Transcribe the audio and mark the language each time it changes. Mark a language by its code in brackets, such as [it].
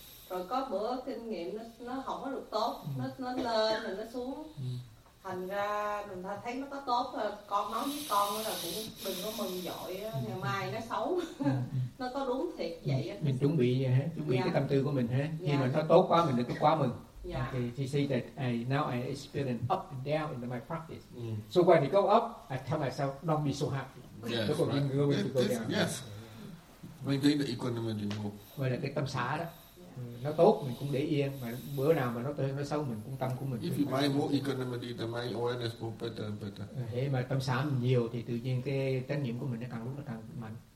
[vi] Rồi có bữa kinh nghiệm nó không có được tốt, nó lên rồi nó xuống. Thành ra mình thấy nó có tốt, con nói với con là cũng đừng có mừng dội, ngày mai nó xấu. Nó có đúng thiệt vậy. Mình chuẩn bị vậy hết, chuẩn bị cái tâm tư của mình hết. Khi mà nó tốt quá, mình được quá mừng. [en] Yeah. Okay, she said that now I experience up and down in my practice. Mm. So when it go up, I tell myself, don't be so happy. Yes, right. Going to go down. Yes. Maintain the equanimity. Well, like the [vi] tam xá đó. [en] Yeah. [vi] nó tốt mình cũng để yên, mà bữa nào mà nó tươi nó xấu mình cũng tâm của mình. [en] If you buy more equanimity, the mind awareness will better and better. [vi] Thế mà tâm sáng mình nhiều thì tự nhiên cái trách nhiệm của mình nó càng lúc nó càng mạnh.